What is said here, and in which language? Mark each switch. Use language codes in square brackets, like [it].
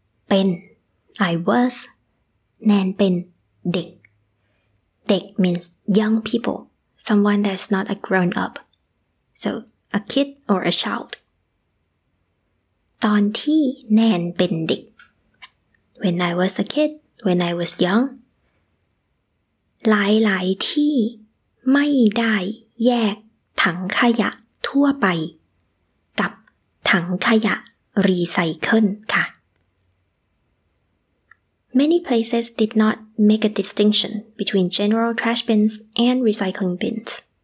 [en] been, I was, [th] nan been, dek. [en] Dek means young people, someone that's not a grown up. So a kid or a child. [th] ตอนที่ nan been dek. [en] When I was a kid, when I was young. [th] หลายหลายที่ไม่ได้แยกถังขยะทั่วไปกับถังขยะรีไซเคิลค่ะ [en] many places did not make a distinction between general trash bins and recycling bins.